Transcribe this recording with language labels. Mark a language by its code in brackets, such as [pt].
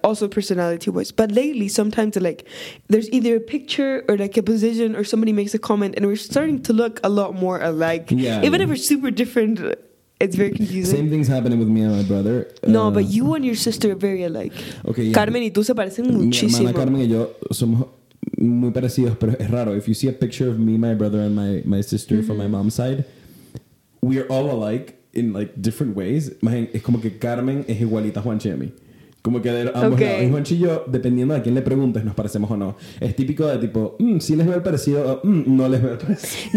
[en] Also personality wise. But lately, sometimes like there's either a picture or like a position or somebody makes a comment and we're starting to look a lot more alike. Yeah. Even if we're super different, it's very confusing. Same thing's happening with me and my brother. No, but you and your sister are very alike. Okay. [es] Yeah. Carmen y tú se parecen muchísimo. Mi hermana Carmen y yo somos muy parecidos, pero es raro. [en] If you see a picture of me, my brother, and my sister mm-hmm. from my mom's side, we are all alike in like different ways. [es] Es como que Carmen es igualita a Juanchi a mí. Como que de ambos okay. lados. Y Juanchi y yo, dependiendo a quién le preguntes, nos parecemos o no. Es típico de tipo, sí les veo el parecido, no les veo el parecido.